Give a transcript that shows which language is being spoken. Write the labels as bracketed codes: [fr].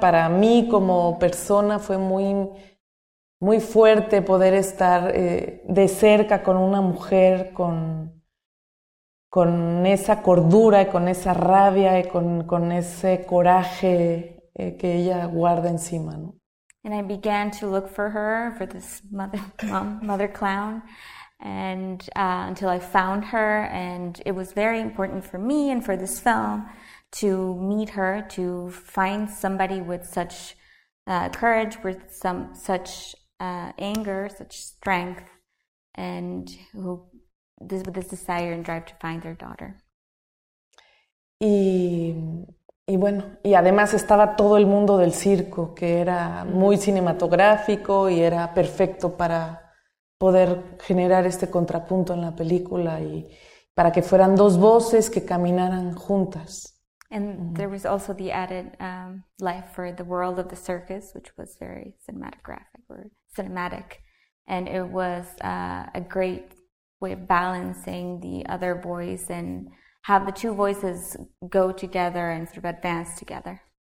[es] Para mí como persona fue muy muy fuerte poder estar de cerca con una mujer con esa cordura y con esa rabia y con ese coraje que ella guarda encima, ¿no? [en] And I began to look for her, for this mother clown, and until I found her, and it was very important for me and for this film to meet her, to find somebody with such courage, with some such anger, such strength, and who this with this desire and drive to find their daughter. [es] Y bueno, y además estaba todo el mundo del circo, que era muy cinematográfico y era perfecto para poder generar este contrapunto en la película y para que fueran dos voces que caminaran juntas. [en] And there was also the added life for the world of the circus, which was very cinematographic or cinematic. And it was a great way of balancing the other voice and have the two voices go together and sort of advance together.